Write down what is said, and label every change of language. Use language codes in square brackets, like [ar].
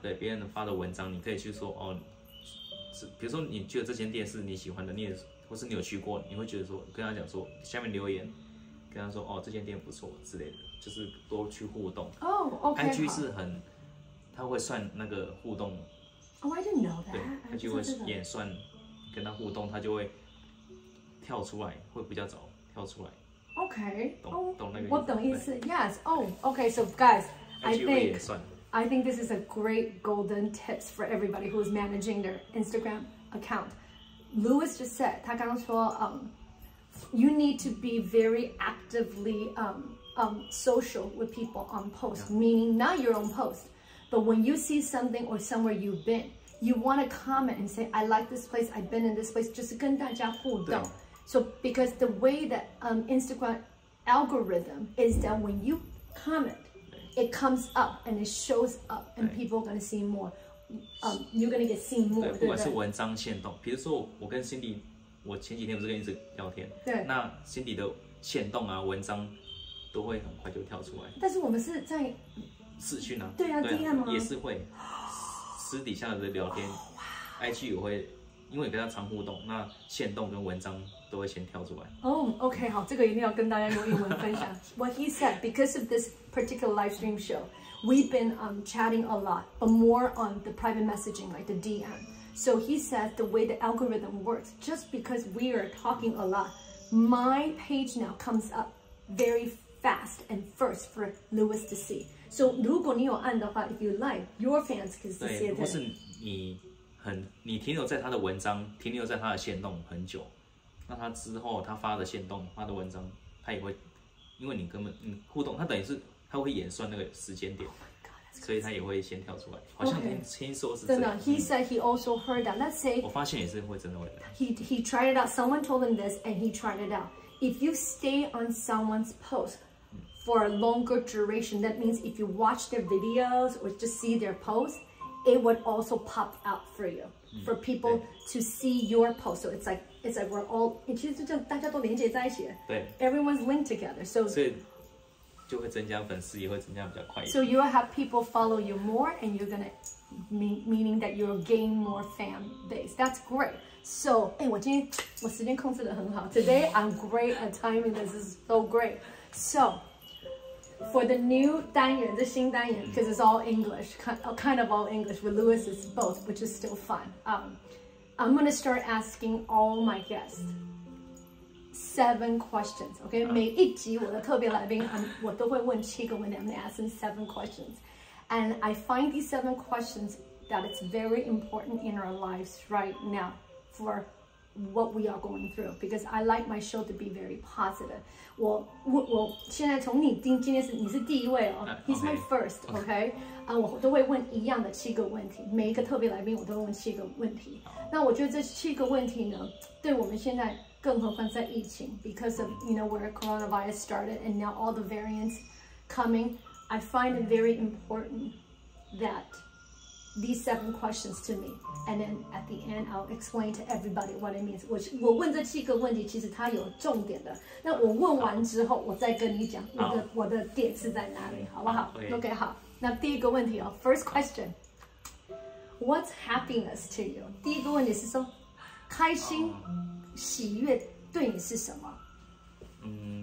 [zh] 对，别人发的文章，你可以去说哦，比如说你觉得这间店是你喜欢的，你也或是你有去过，你会觉得说跟他讲说下面留言，跟他说哦这间店不错之类的，就是多去互动。哦、oh, ，OK， IG 是很，他会算那个互动。 [en] Oh, I didn't know that. [zh] 对，他就会演算，跟他互动，他就会跳出来，会比较早跳出来。 [en] Okay. [zh] 懂那个意思？我懂意思。 [en] Yes. Oh. Okay. So guys, I think this is a great golden tips for everybody who is managing their Instagram account. Louis just said, [zh] 他刚说 [en] you need to be very actively social with people on post, meaning not your own post. But when you see something or somewhere you've been, you want to comment and say, I like this place, I've been in this place, [zh] 就是跟大家互动。 [en] So because the way that Instagram algorithm is that when you comment, it comes up and it shows up and people are going to see more. You're going to get seen more. [zh] 对，不管是文章限动，比如说我跟 Cindy， 我前几天不是跟一直聊天，对，那 Cindy 的限动啊，文章都会很快就跳出来。但是我们是在视讯啊，对啊 ，DM 也是会，私底下的聊天、IG 也会，因为跟他常互动，那限动跟文章都会先跳出来。哦、OK， 好，这个一定要跟大家用英文分享。 [en] What he said because of this particular live stream show, we've been chatting a lot, but more on the private messaging, like the DM. So he said the way the algorithm works, just because we are talking a lot, my page now comes up very fast and first for Lewis to see. So [zh] 如果你有按的话 [en] if you like, your fans can see it. [zh] 或是你很你停留在他的文章，停留在他的限动很久，那他之后他发的限动，发的文章，他也会，因为你根本你互动，他等于是他会演算那个时间点。所以他也会先跳出来，好像 听说是真的。 [en] He said he also heard that. Let's say [zh] 我发现也是会真的会来。 [en] He tried it out. Someone told him this, and he tried it out. If you stay on someone's post for a longer duration, that means if you watch their videos or just see their post, it would also pop out for you, for people to see your post. So it's like we're all [zh] 其实就大家都连接在一起。对 [en] ，everyone's linked together. So. [zh] 就会增加粉丝，也会增加比较快一点。 [en] So you will have people follow you more, and you're gonna meaning that you'll gain more fan base. That's great. [zh] So, 哎，我今天我时间控制得很好。 [en] Today I'm great at timing. This is so great. So, for the new [zh] 单元，这新单元 [en] because it's all English, kind of all English with Lewis is both, which is still fun. I'm gonna start asking all my guests. 7 questions, okay?、 [zh] 每一集我的特别来宾我都会问七个问题 [en] I'm asking 7 questions. And I find these 7 questions that it's very important in our lives right now for what we are going through. Because I like my show to be very positive. [zh] 我现在从你今天是你是第一位哦、 [en] He's my first, okay? [zh] 我都会问一样的七个问题。每一个特别来宾我都会问七个问题。那我觉得这七个问题呢对我们现在更何况在疫情 [en] because of, you know, where coronavirus started and now all the variants coming, I find it very important that these 7 questions to me, and then at the end, I'll explain to everybody what it means. [zh] 我问这七个问题其实它有重点的。那我问完之后我再跟你讲我的点是在哪里好不好 [en] okay. OK, [zh] 好。那第一个问题哦 [en] first question, what's happiness to you? [zh] 第一个问题是说开心喜悦对你是什么？